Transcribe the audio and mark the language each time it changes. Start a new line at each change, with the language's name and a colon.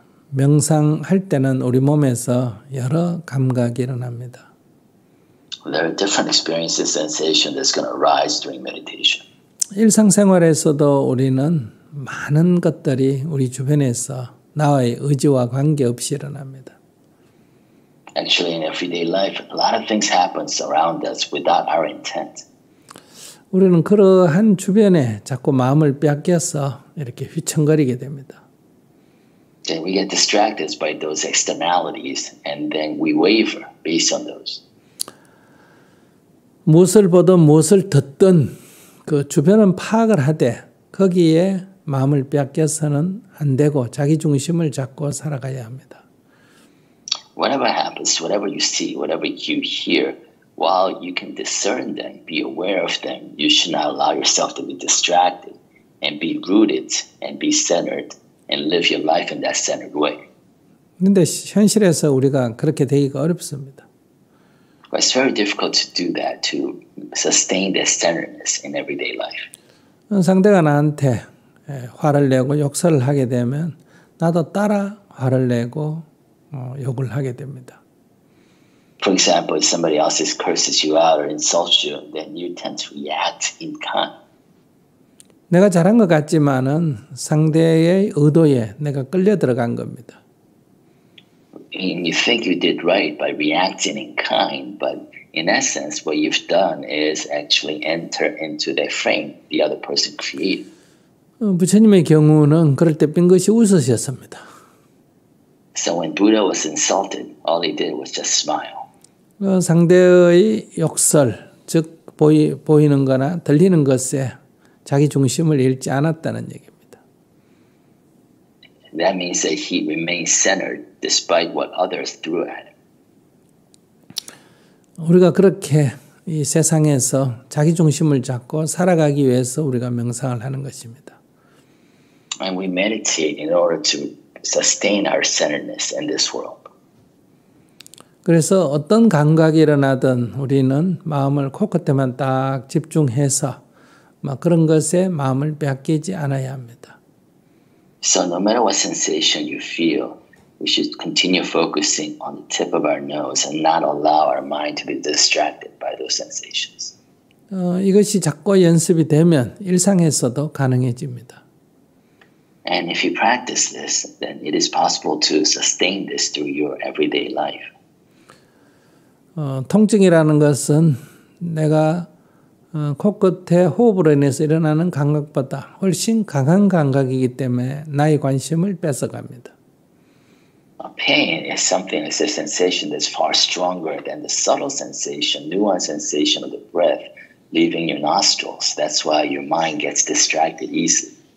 Korean: 명상할 때는 우리 몸에서 여러 감각이 일어납니다.
English: There are different experiences, sensations that's going to arise during meditation.
Korean: 일상생활에서도 우리는 많은 것들이 우리 주변에서 나와의 의지와 관계없이 일어납니다.
English: Actually, in everyday life, a lot of things happen around us without our intent.
Korean: 우리는 그러한 주변에 자꾸 마음을 빼앗겨서 이렇게 휘청거리게 됩니다.
English: Then we get distracted by those externalities, and then we waver based on those.
Korean: 무엇을 보든 무엇을 듣든 그 주변은 파악을 하되 거기에 마음을 빼앗겨서는 안 되고 자기 중심을 잡고 살아가야 합니다.
English: Whatever happens, whatever you see, whatever you hear, while you can discern them, be aware of them, you should not allow yourself to be distracted and be rooted and be centered and live your life in that centered way.
Korean: 근데 현실에서 우리가 그렇게 되기가 어렵습니다.
English: But it's very difficult to do that, to sustain that centeredness in everyday life.
Korean: 상대가 나한테 화를 내고 욕설을 하게 되면 나도 따라 화를 내고 욕을 하게 됩니다.
English: For example, if somebody else curses you out or insults you, then you tend to react in kind.
Korean: 내가 잘한 것 같지만은 상대의 의도에 내가 끌려 들어간 겁니다.
English: And you think you did right by reacting in kind, but in essence, what you've done is actually enter into the frame the other person created.
Korean: 부처님의 경우는 그럴 때 빙긋이 웃으셨습니다.
English: So when Buddha was insulted, all he did was just smile.
Korean: 상대의 욕설, 즉 보이는 거나 들리는 것에 자기 중심을 잃지 않았다는 얘기입니다.
English: That means that he remained centered despite what others threw at him.
Korean: 우리가 그렇게 이 세상에서 자기 중심을 잡고 살아가기 위해서 우리가 명상을 하는 것입니다.
English: And we meditate in order to sustain our centeredness in this world.
Korean: 그래서 어떤 감각이 일어나든 우리는 마음을 코끝에만 딱 집중해서 막 그런 것에 마음을 뺏기지 않아야 합니다.
English: So no matter what sensation you feel, we should continue focusing on the tip of our nose and not allow our mind to be distracted by those sensations.
Korean: 이것이 자꾸 연습이 되면 일상에서도 가능해집니다.
English: And if you practice this, then it is possible to sustain this through your everyday life.
Korean: 통증이라는 것은 내가 코끝에 호흡을 인해서 일어나는 감각보다 훨씬 강한 감각이기 때문에 나의 관심을 뺏어갑니다.
English: Pain is something, it's a sensation that's far stronger than the subtle sensation, nuanced sensation of the breath leaving your nostrils. That's why your mind gets distracted easily.